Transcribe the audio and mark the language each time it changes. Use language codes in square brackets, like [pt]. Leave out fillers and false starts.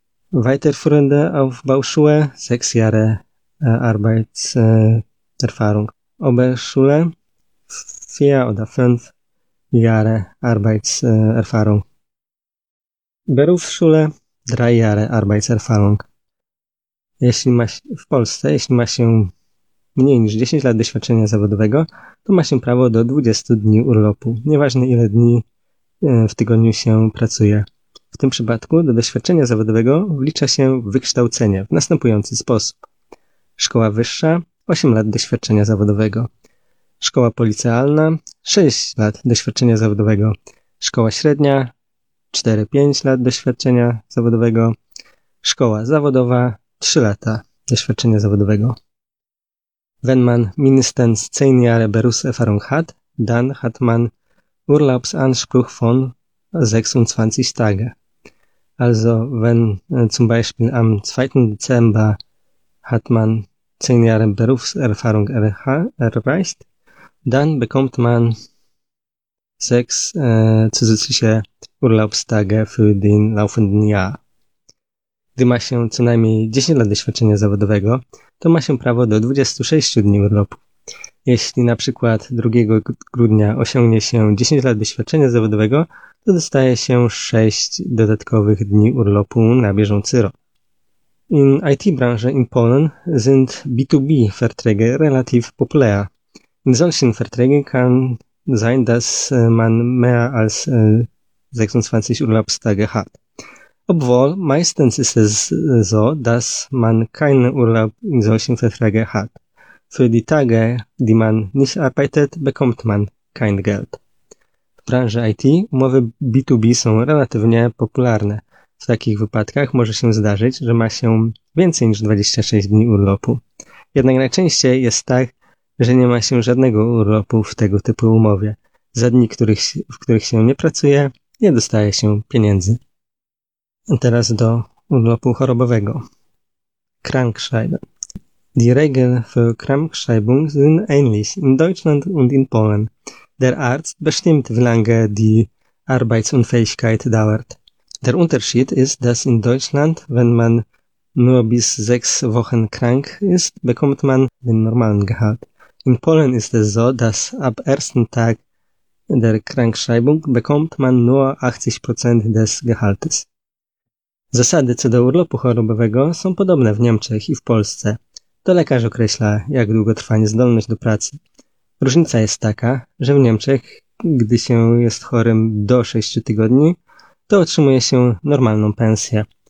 [de] Weiterführende Aufbauschule, 6 Jahre Arbeitserfahrung. Oberschule, 4 oder 5 Jahre Arbeitserfahrung. Berufsschule, 3 Jahre Arbeitserfahrung. [pl] Jeśli ma się mniej niż 10 lat doświadczenia zawodowego, to ma się prawo do 20 dni urlopu, nieważne ile dni w tygodniu się pracuje. W tym przypadku do doświadczenia zawodowego wlicza się wykształcenie w następujący sposób. Szkoła wyższa – 8 lat doświadczenia zawodowego. Szkoła policealna – 6 lat doświadczenia zawodowego. Szkoła średnia – 4-5 lat doświadczenia zawodowego. Szkoła zawodowa – 3 lata doświadczenia zawodowego. [de] Wenn man mindestens 10 Jahre Berufserfahrung hat, dann hat man Urlaubsanspruch von 26 Tage. Also wenn zum Beispiel am 2. Dezember hat man 10 Jahre Berufserfahrung erreicht, dann bekommt man 6 zusätzliche Urlaubstage für den laufenden Jahr. [pl] Gdy ma się co najmniej 10 lat doświadczenia zawodowego, to ma się prawo do 26 dni urlopu. Jeśli na przykład 2 grudnia osiągnie się 10 lat doświadczenia zawodowego, to dostaje się 6 dodatkowych dni urlopu na bieżący rok. [de] In IT-Branche in Polen sind B2B-Verträge relativ populär. In solchen Verträgen kann sein, dass man mehr als 26 Urlaubstage hat. Obwohl, meistens ist es so, dass man keinen Urlaub in solchen Verträgen hat. Für die Tage, die man nicht arbeitet, bekommt man kein Geld. [pl] W branży IT umowy B2B są relatywnie popularne. W takich wypadkach może się zdarzyć, że ma się więcej niż 26 dni urlopu. Jednak najczęściej jest tak, że nie ma się żadnego urlopu w tego typu umowie. Za dni, w których się nie pracuje, nie dostaje się pieniędzy. Teraz do urlopu chorobowego. [de] Krankschreiben. Die Regeln für Krankschreibung sind ähnlich in Deutschland und in Polen. Der Arzt bestimmt, wie lange die Arbeitsunfähigkeit dauert. Der Unterschied ist, dass in Deutschland, wenn man nur bis 6 Wochen krank ist, bekommt man den normalen Gehalt. In Polen ist es so, dass ab ersten Tag der Krankschreibung bekommt man nur 80% des Gehaltes. [pl] Zasady co do urlopu chorobowego są podobne w Niemczech i w Polsce. To lekarz określa, jak długo trwa niezdolność do pracy. Różnica jest taka, że w Niemczech, gdy się jest chorym do 6 tygodni, to otrzymuje się normalną pensję.